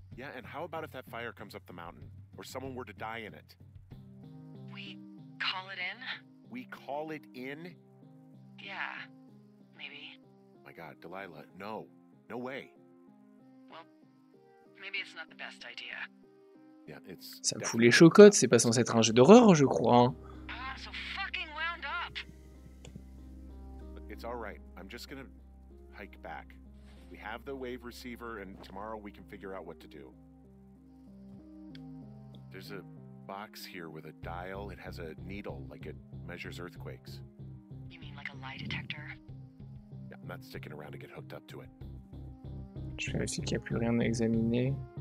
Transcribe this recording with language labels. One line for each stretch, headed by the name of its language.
English: Yeah, and how about if that fire comes up the mountain, or someone were to die in it? We call it in? We call it in? Yeah, maybe. My God, Delilah, no. No way. Well, maybe it's not the best idea. Yeah, it's...
French: Ça me fout les chocottes, c'est pas censé être un jeu d'horreur, je crois.
English: Oh, I'm so fucking wound up. It's all right. I'm just gonna hike back. We have the wave receiver, and tomorrow we can figure out what to do. There's a box here with a dial. It has a needle, like it measures earthquakes. You mean like a lie detector? Yeah, I'm not sticking around to get hooked up to it.
French: Je vais essayer qu'il n'y a plus rien à examiner.